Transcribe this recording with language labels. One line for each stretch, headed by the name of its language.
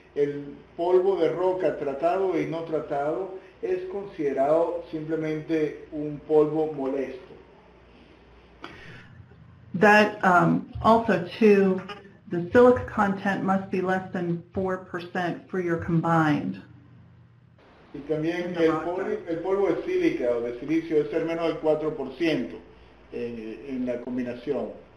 Spanish: El polvo de roca tratado y no tratado es considerado simplemente un polvo molesto.
English: That also too, the silica content must be less than 4% for your combined.
Spanish: Y también el polvo de sílica o de silicio debe ser menos del 4% en la combinación.